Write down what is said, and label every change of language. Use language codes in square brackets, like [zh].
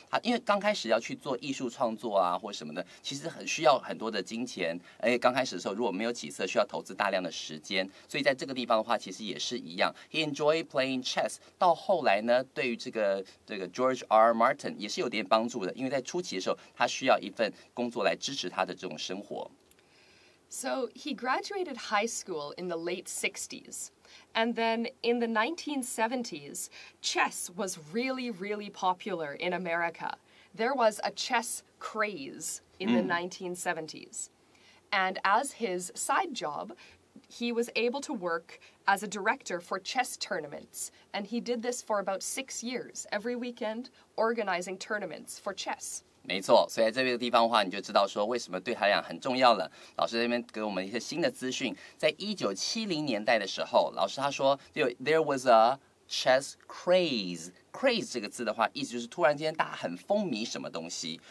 [zh] 他因为刚开始要去做艺术创作啊或什么的，其实很需要很多的金钱，而且刚开始的时候如果没有起色，需要投资大量的时间，所以在这个地方的话其实也是一样。 [en] He enjoyed playing chess， [zh] 到后来呢对于这个 George R. Martin 也是有点帮助的，因为在初期的时候他需要一份工作来支持他的这种生活。 [en] So he graduated high school in the late 60s and then in the 1970s chess was really really popular in America. There was a chess craze in the 1970s and as his side jobHe was able to work as a director for chess tournaments, and he did this for about 6 years, every weekend, organizing tournaments for chess. [zh] 没错，所以在这个地方的话，你就知道说为什么对他来讲很重要了。老师这边给我们一些新的资讯，在1970年代的时候，老师他说 [en] there was a chess craze. [zh] Craze 这个字的话，意思就是突然间大家很风靡什么东西。